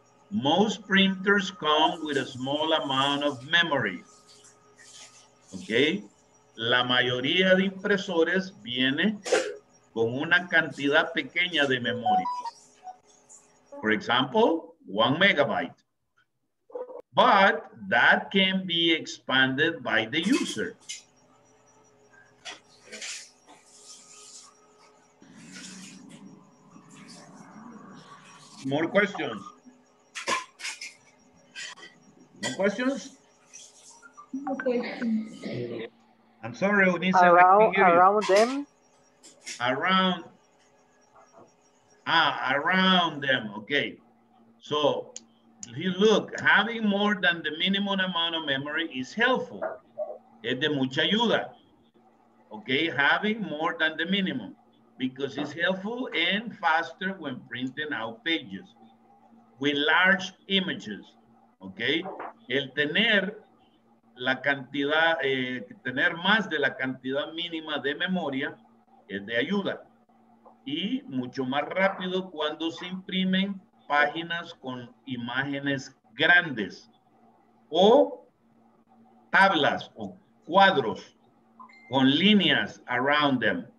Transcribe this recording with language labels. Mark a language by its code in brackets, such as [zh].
[en] Most printers come with a small amount of memory. Okay? [es] La mayoría de impresores viene con una cantidad pequeña de memoria. [en] For example, 1 megabyte. But that can be expanded by the user. More questions? No questions? Okay. I'm sorry, Unisa. Around them? Around them, okay. So, look, having more than the minimum amount of memory is helpful. [es] Es de mucha ayuda. [en] Okay, having more than the minimum. Because it's helpful and faster when printing out pages with large images, okay? [es] El tener la cantidad, tener más de la cantidad mínima de memoria es de ayuda. Y mucho más rápido cuando se imprimen páginas con imágenes grandes o tablas o cuadros con líneas [en] around them.